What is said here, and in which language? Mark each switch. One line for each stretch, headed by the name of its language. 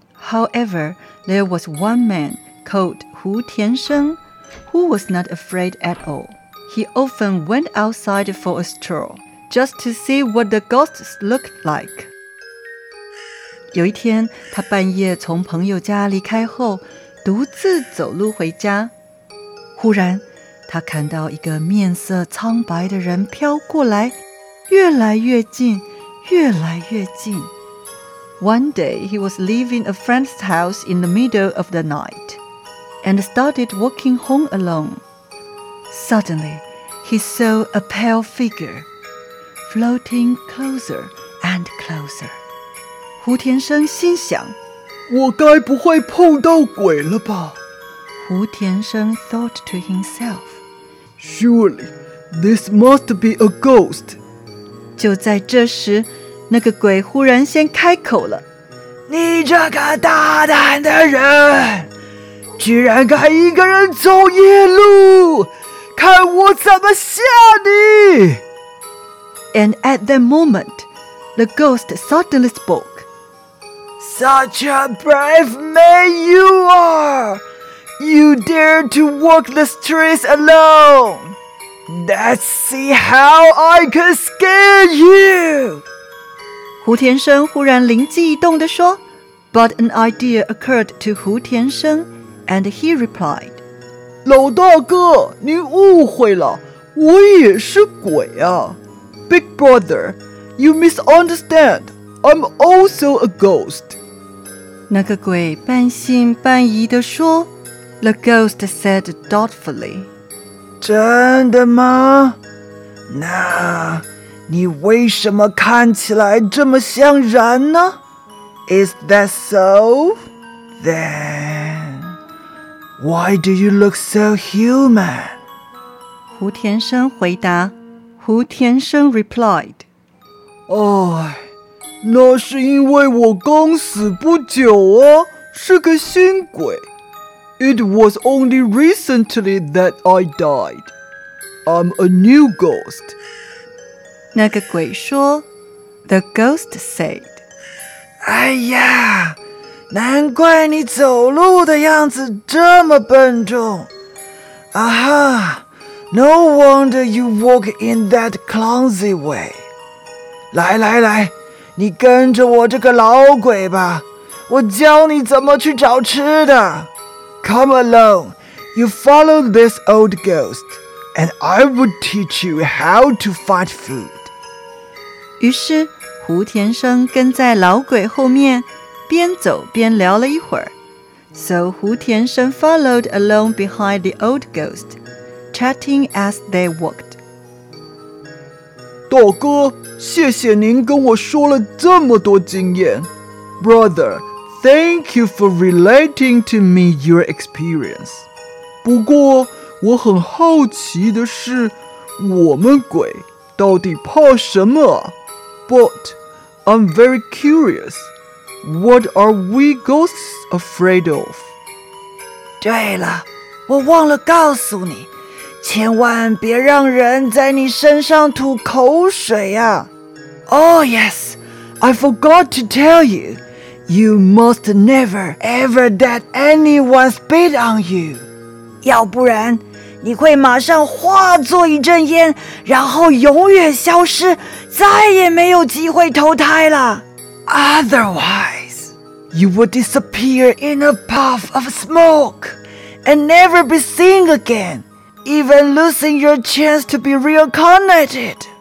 English: However, there was one man called 胡田生who was not afraid at all. He often went outside for a stroll, just to see what the ghosts looked like.
Chinese: 有一天，他半夜从朋友家离开后，独自走路回家。忽然，他看到一个面色苍白的人飘过来，越来越近，越来越近。
English: One day, he was leaving a friend's house in the middle of the night. And started walking home alone. Suddenly, he saw a pale figure floating closer and closer.
Chinese: 胡田生心想，我该不会碰到鬼了吧？
English: 胡田生 thought to himself, Surely, this must be a ghost.
Chinese: 就在这时，那个鬼忽然先开口了，你这个大胆的人！居然敢一个人走夜路，看我怎么吓你！
English: And at that moment, the ghost suddenly spoke. Such a brave man you are! You dare to walk the streets alone! Let's see how I can scare you!
Chinese: 胡田生忽然灵机一动地说，
English: But an idea occurred to 胡田生。 And he replied,
Chinese: 老大哥，你误会了，我也是鬼啊。
English: Big brother, you misunderstand, I'm also a ghost.
Chinese: 那个鬼半信半疑地说，
English: The ghost said doubtfully,
Chinese: 真的吗？那你为什么看起来这么像人呢？
English: Is that so? Then... Why do you look so human?
Chinese: 胡田生回答。
English: 胡田生 replied,
Chinese: 哎，那是因为我刚死不久啊，是个新鬼。
English: It was only recently that I died. I'm a new ghost.
Chinese: 那个鬼说。
English: The ghost said,
Chinese: 哎呀。难怪你走路的样子这么笨重。
English: 啊哈， No wonder you walk in that clumsy way.
Chinese: 来来来，你跟着我这个老鬼吧，我教你怎么去找吃的。
English: Come along, you follow this old ghost, and I will teach you how to find food.
Chinese: 于是胡天生跟在老鬼后面边走边聊了一会儿。
English: So 胡天生 followed alone behind the old ghost, chatting as they walked.
Chinese: 大哥，谢谢您跟我说了这么多经验。
English: Brother, thank you for relating to me your experience.
Chinese: 不过我很好奇的是，我们鬼到底怕什么？
English: But I'm very curious. What are we ghosts afraid of?
Chinese: 对了，我忘了告诉你，千万别让人在你身上吐口水啊。
English: Oh yes, I forgot to tell you. You must never ever let anyone spit on you.
Chinese: 要不然你会马上化作一阵烟，然后永远消失，再也没有机会投胎了。
English: Otherwise, you would disappear in a puff of smoke and never be seen again, even losing your chance to be reincarnated.